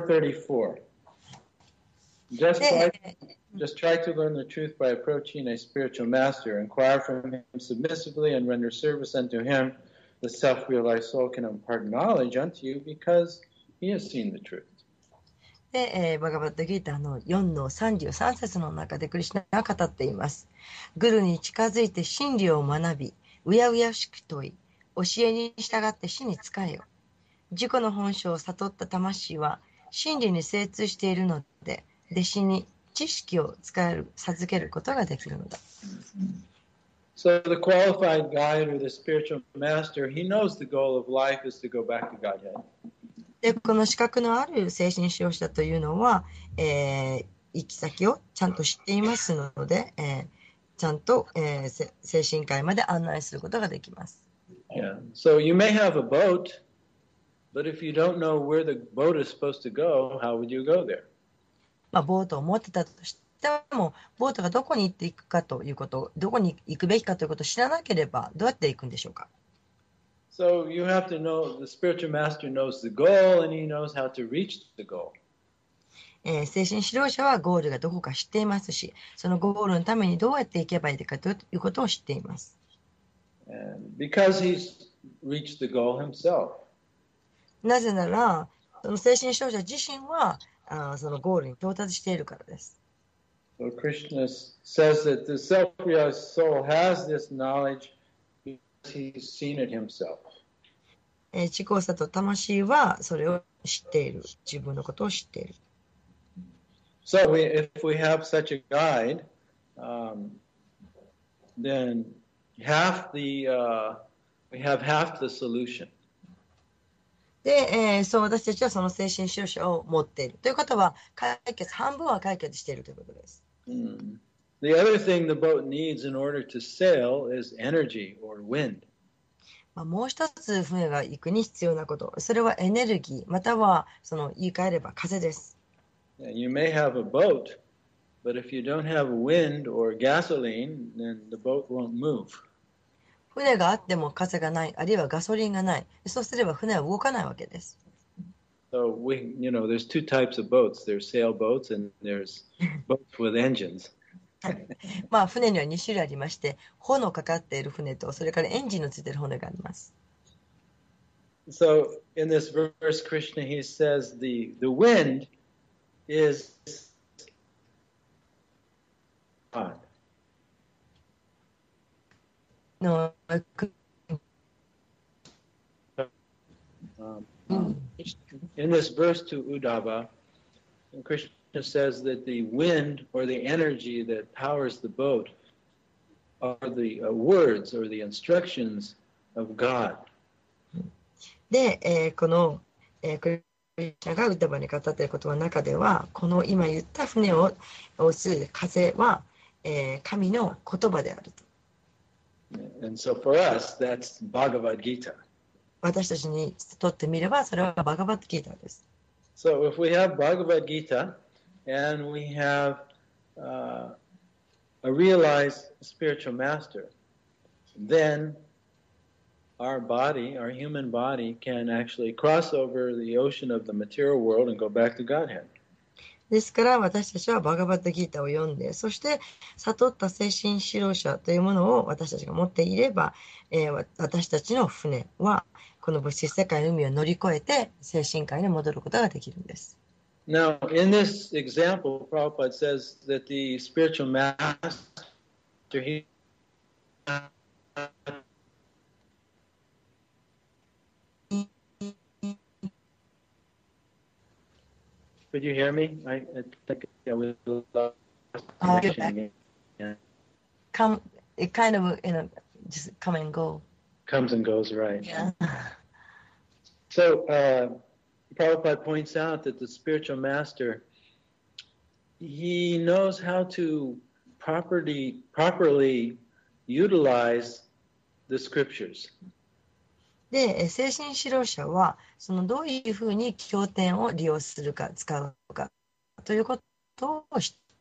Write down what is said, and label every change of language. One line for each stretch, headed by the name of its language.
English: 434. Just try to learn the truth by approaching a spiritual master. Inquire from him submissively and render service unto him. The self-realized soul can impart knowledge unto you because he has seen the truth.
Japanese: で、バガバッドギーターの4の33節の中でクリシナが語っています。グルに近づいて真理を学び、うやうやしく問い、教えに従って死に仕えよ。自己の本性を悟った魂は真理に精通しているので、弟子に知識を使える、授けることができるのだ。
English: So the qualified guide or the spiritual master, he knows the goal of life is to go back to Godhead.
Japanese: で、この資格のある精神指導者というのは、行き先をちゃんと知っていますので、ちゃんと、精神界まで案内することができます。
English: Yeah. So you may have a boat, but if you don't know where the boat is supposed to go, how would you go there?
Japanese: まあ、ボートを持ってたとして、でもボートがどこに行っていくかということ、どこに行くべきかということを知らなければどうやって行くんでしょうか。
English: So you have to know the spiritual master knows the goal and he knows how to reach the goal.
Japanese: 精神指導者はゴールがどこか知っていますし、そのゴールのためにどうやって行けばいいかということを知っています。
English: And because he's reached the goal himself.
Japanese: なぜなら、その精神指導者自身はそのゴールに到達しているからです。
English: So Krishna says that the self-realized soul has this knowledge because he's seen it himself.
Japanese: 自己悟った魂はそれを知っている。自分のことを知っている。
English: So if we have such a guide, then half the, we have half the solution.
Japanese: で、そう、私たちはその精神収支を持っているということは、解決、半分は解決しているということです。
English: The other thing the boat needs in order to sail is energy or wind.
Japanese: まあ、もう一つ船が行くに必要なこと、それはエネルギー、またはその言い換えれば風です。
English: You may have a boat, but if you don't have wind or gasoline, then the boat won't move.
Japanese: 船があっても風がない、あるいはガソリンがない。そうすれば船は動かないわけです。
English: So we, you know, there's two types of boats. There's sailboats and there's boats with engines.
Japanese: まあ船には2種類ありまして、炎のかかっている船とそれからエンジンのついている船があります。
English: So in this verse, Krishna he says the wind is God. No, I could. In this verse to Uddhava, Krishna says that the wind or the energy that powers the boat are the words or the instructions of God.
Japanese: で、この、クリシュナがウッダバに語っていることの中では、この今言った船を押す風は、神の言葉であると。
English: And so for us, that's Bhagavad Gita.
Japanese: 私たちにとってみれば、それはバガバッドギーターです。
English: So if we have Bhagavad Gita and we have a realized spiritual master, then our body, our human body, can actually cross over the ocean of the material world and go back to Godhead.
Japanese: ですから私たちはバガバッドギーターを読んで、そして悟った精神指導者というものを私たちが持っていれば、私たちの船はこの物質世界の海を乗り越えて精神界に戻ることができるんです。
English: Now, in this example, Prabhupada says that the spiritual master, he could you hear me? I think yeah, we lost connection. Get back. Yeah. Come, it kind of, you know, just come and go. Comes and goes, right. Yeah. So, Prabhupada points out that the spiritual master, he knows how to properly utilize the scriptures.
Japanese: で、精神指導者はそのどういうふうに経典を利用するか使うかということを知